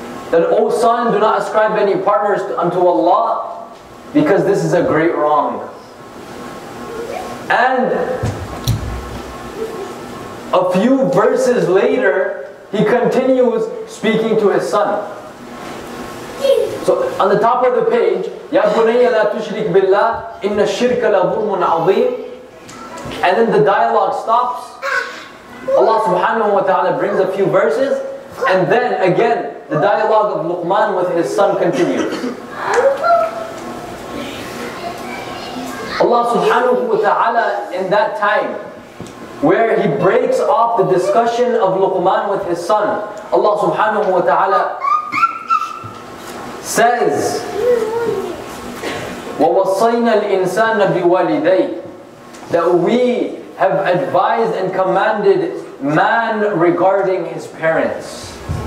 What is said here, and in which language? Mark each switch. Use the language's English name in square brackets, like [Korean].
[English] That, O son, do not ascribe any partners unto Allah, because this is a great wrong. And a few verses later, he continues speaking to his son. So on the top of the page, [Arabic] يَا بُنَيَّ لَا تُشْرِكْ بِاللَّهِ إِنَّ الشِّرْكَ لَظُلْمٌ عَظِيمٌ. [English] And then the dialogue stops. Allah subhanahu wa ta'ala brings a few verses, and then again the dialogue of Luqman with his son continues. Allah subhanahu wa ta'ala, in that time where he breaks off the discussion of Luqman with his son, Allah subhanahu wa ta'ala says, [Arabic] وَوَصَّيْنَا الْإِنسَانَ بِوَالِدَيْهِ, [English] that we have advised and commanded man regarding his parents.